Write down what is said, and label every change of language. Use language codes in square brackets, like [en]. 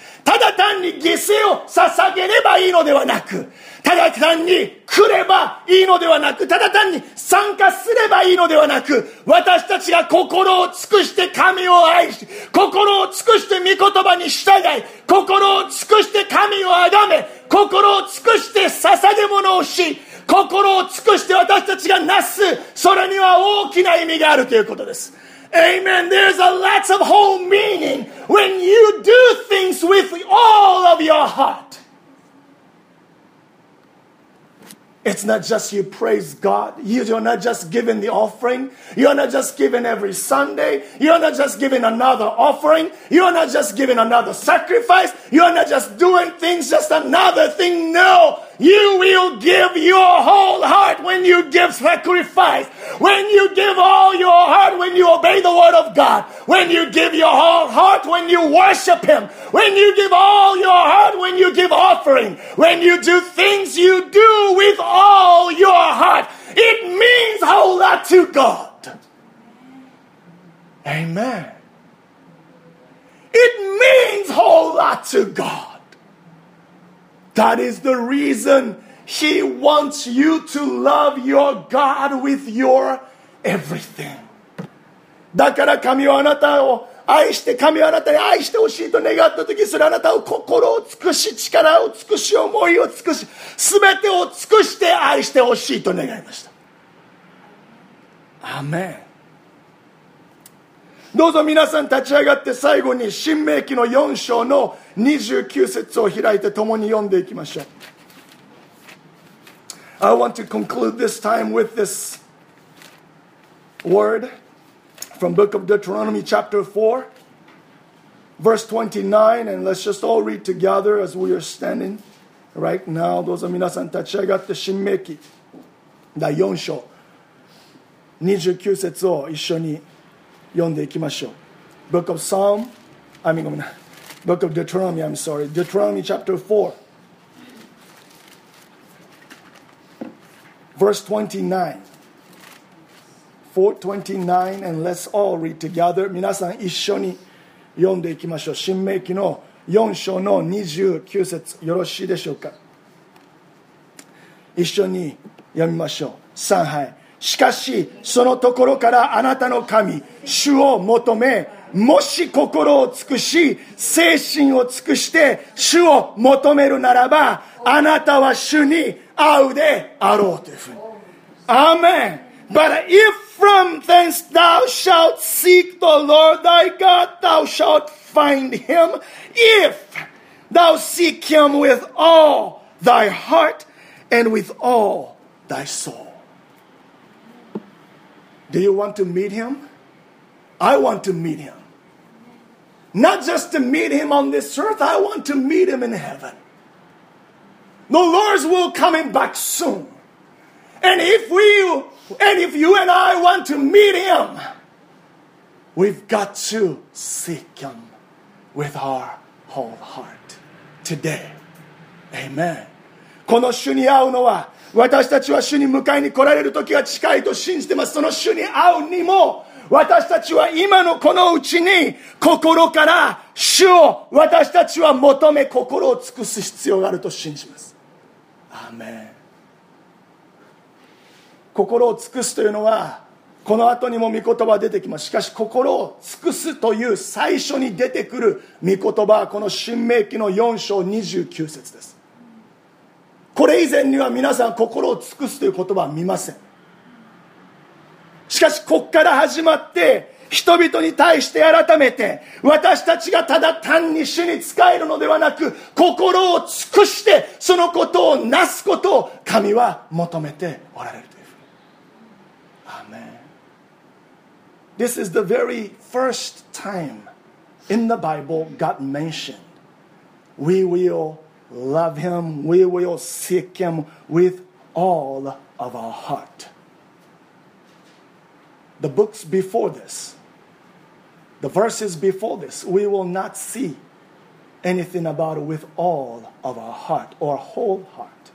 [ja] ただ単に犠牲を捧げればいいのではなく、ただ単に来ればいいのではなく、ただ単に参加すればいいのではなく、私たちが心を尽くして神を愛し、心を尽くして御言葉に従い、心を尽くして神を崇め、心を尽くして捧げ物をし、心を尽くして私たちがなす、それには大きな意味があるということです。 [en] Amen. There's a lots of whole meaning when you do things with all of your heart. It's not just you praise God. You're not just giving the offering. You're not just giving every Sunday. You're not just giving another offering. You're not just giving another sacrifice. You're not just doing things, just another thing. No. You will give your whole heart when you give sacrifice. When you give all your heart, when you obey the word of God. When you give your whole heart, when you worship Him. When you give all your heart, when you give offering. When you do things, you do with all your heart. It means a whole lot to God. Amen. It means a whole lot to God. That is the reason He wants you to love your God with your everything. [ja] だから神はあなたを愛して、神はあなたに愛してほしいと願ったとき、それあなたを心を尽くし、力を尽くし、思いを尽くし、すべてを尽くして愛してほしいと願いました。アーメン。どうぞ皆さん立ち上がって最後に申命記の4章の29節を開いて共に読んでいきましょう。 [en] I want to conclude this time with this word from book of Deuteronomy chapter 4 verse 29 and let's just all read together as we are standing right now. [ja] どうぞ皆さん立ち上がって申命記第4章29節を一緒に読んでいきましょう。 [en] Book of Psalm I mean, [ja] ごめんな。 [en] Book of Deuteronomy, I'm sorry. Deuteronomy chapter 4. Verse 29. 4:29 and let's all read together. [ja] 皆さん一緒に読んでいきましょう。申命記の4章の29節よろしいでしょうか。一緒に読みましょう。三杯。しかしそのところからあなたの神、主を求め、もし心を尽くし精神を尽くして主を求めるならば、あなたは主に会うであろうというふうに。アーメン。 [en] But if from thence thou shalt seek the Lord thy God, thou shalt find him if thou seek him with all thy heart and with all thy soul. Do you want to meet him? I want to meet him. Not just to meet him on this earth, I want to meet him in heaven. The Lord's will coming back soon. And if you and I want to meet him, we've got to seek him with our whole heart today. Amen. [ja] この主に会うのは、私たちは主に迎えに来られる時が近いと信じてます。その主に会うにも、私たちは今のこのうちに心から主を私たちは求め、心を尽くす必要があると信じます。アーメン。心を尽くすというのは、この後にも御言葉出てきます。しかし心を尽くすという最初に出てくる御言葉はこの申命記の4章29節です。これ以前には皆さん心を尽くすという言葉は見ません。しかしこっから始まって人々に対して改めて、私たちがただ単に主に仕えるのではなく、心を尽くしてそのことをなすことを神は求めておられるというふうに。アーメン。 [en] This is the very first time in the Bible God mentioned we will love him, we will seek him with all of our heart. The books before thisThe verses before this, we will not see anything about it with all of our heart or whole heart.